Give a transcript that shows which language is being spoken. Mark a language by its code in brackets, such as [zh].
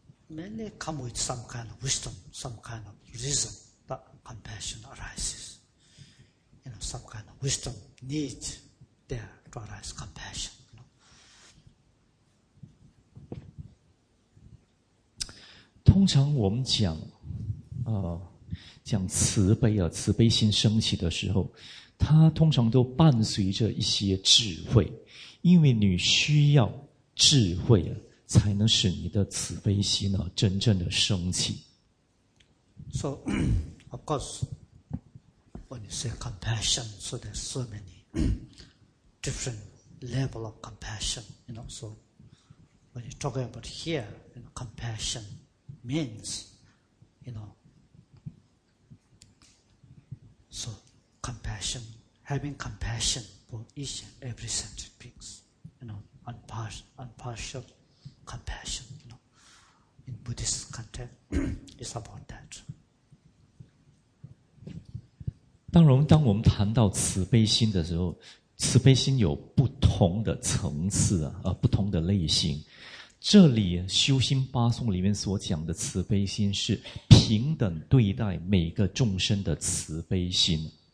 [en] Many come with some kind of wisdom, some kind of reason that compassion arises. You know, some kind of wisdom needs there to arise compassion. You know? [zh] 通常我们讲，讲慈悲啊，慈悲心升起的时候，它通常都伴随着一些智慧，因为你需要智慧啊。才能使你的慈悲心呢真正的升起。 [en] So, of course, when you say compassion, so there's so many different level of compassion. You know, so when you're talking about here, you know, compassion means, you know, so compassion, having compassion for each and every sentient beings, you know, unpartial. Compassion, you know, in Buddhist context, is about that. [zh] 当然，当我们谈到慈悲心的时候，慈悲心有不同的层次啊，不同的类型。这里修心八颂里面所讲的慈悲心是平等对待每个众生的慈悲心。